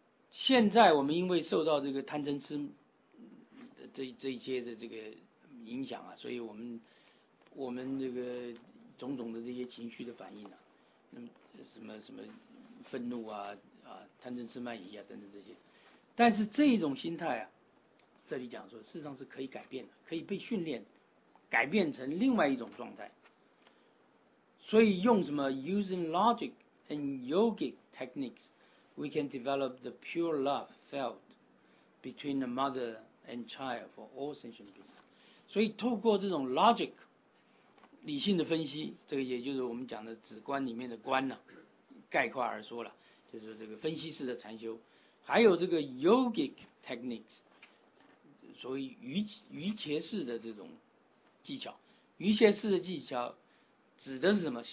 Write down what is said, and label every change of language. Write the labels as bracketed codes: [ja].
[zh] 现在我们因为受到这个贪嗔痴这一些的这个影响啊，所以我们这个种种的这些情绪的反应啊。什么什么愤怒啊，贪嗔痴慢疑啊等等这些，但是这种心态啊，这里讲说事实上是可以改变的，可以被训练，改变成另外一种状态。所以用什么 [en] using logic and yogic techniques, we can develop the pure love felt between the mother and child for all sentient beings。 [zh] 所以透过这种 logic。理性的分析，这个也就是我们讲的止观里面的观呢、啊，概括而说了，就是这个分析式的禅修，还有这个 yogic techniques，所谓瑜伽式的这种技巧，瑜伽式的技巧指的是什么？